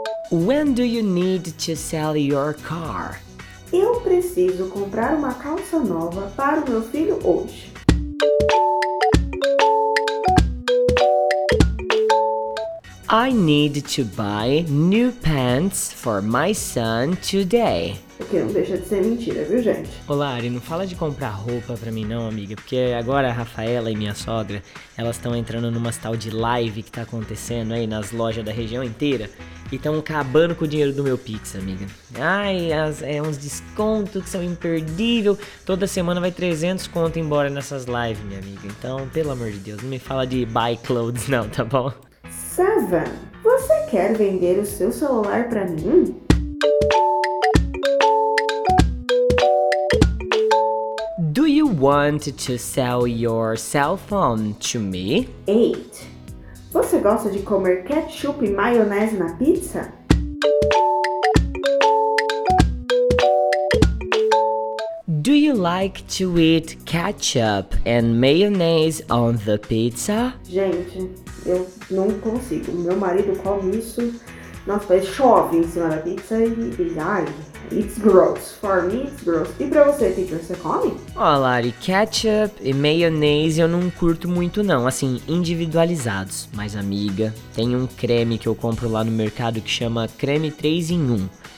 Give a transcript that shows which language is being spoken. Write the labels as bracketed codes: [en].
[en] When do you need to sell your car? [pt] Eu preciso comprar uma calça nova para o meu filho hoje. [en] I need to buy new pants for my son today. [pt] Porque não deixa de ser mentira, viu, gente? Ô, Lari, não fala de comprar roupa pra mim não, amiga. Porque agora a Rafaela e minha sogra, elas estão entrando numa tal de live que tá acontecendo aí nas lojas da região inteira. E estão acabando com o dinheiro do meu Pix, amiga. Ai, é uns descontos que são imperdíveis. Toda semana vai 300 conto embora nessas lives, minha amiga. Então, pelo amor de Deus, não me fala de [en] buy clothes [pt] não, tá bom? [en] Seven, [pt] você quer vender o seu celular pra mim? [en] Do you want to sell your cell phone to me? 8. [pt] Você gosta de comer ketchup e maionese na pizza? [en] Do you like to eat ketchup and mayonnaise on the pizza? [pt] Gente, eu não consigo. Meu marido come isso. Nossa, ele chove em cima da pizza e ai. [en] It's gross. For me, it's gross. [pt] E pra você, teacher, você come? Ó, Lari, ketchup e mayonnaise eu não curto muito não. Assim, individualizados. Mas, amiga, tem um creme que eu compro lá no mercado que chama creme 3 em 1.